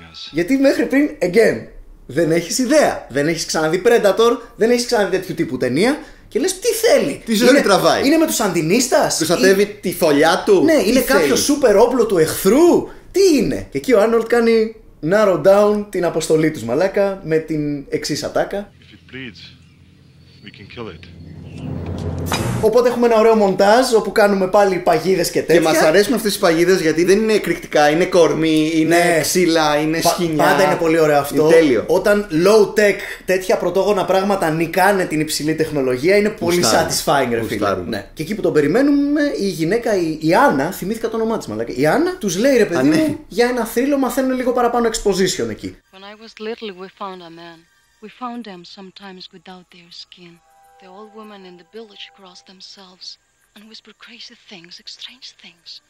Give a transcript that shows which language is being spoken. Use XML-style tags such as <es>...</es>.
<el>Γιατί μέχρι πριν, again, δεν έχεις ιδέα. Δεν έχεις ξαναδεί Predator, δεν έχεις ξαναδεί τέτοιου τύπου ταινία. Και λες τι θέλει. Τι ζωή τραβάει. Είναι με τους αντινίστας. Προστατεύει τη φωλιά του. Ναι, είναι κάποιο σούπερ όπλο του εχθρού. Τι είναι. Και εκεί ο Arnold κάνει narrow down την αποστολή τους μαλάκα με την εξής ατάκα.</el> <en>If it bleeds, we can kill it.</en> <el>Οπότε έχουμε ένα ωραίο μοντάζ όπου κάνουμε πάλι παγίδες και τέτοια. Και μας αρέσουν αυτές οι παγίδες γιατί δεν είναι εκρηκτικά, είναι κορμί, είναι ξύλα, είναι σχοινιά. Πάντα είναι πολύ ωραίο αυτό. Είναι τέλειο. Όταν low tech τέτοια πρωτόγωνα πράγματα νικάνε την υψηλή τεχνολογία, είναι πολύ satisfying, ρε φίλε. Ναι. Και εκεί που τον περιμένουμε, η γυναίκα, η Άννα, θυμήθηκα το όνομά της, μαλάκα. Η Άννα τους λέει, ρε παιδί μου, για ένα θρύλο μαθαίνουν λίγο παραπάνω exposition εκεί.</el> <en>When I was little, we found a man. We found them sometimes without their skin. The old women in the village cross themselves and whisper crazy things, strange things.</en>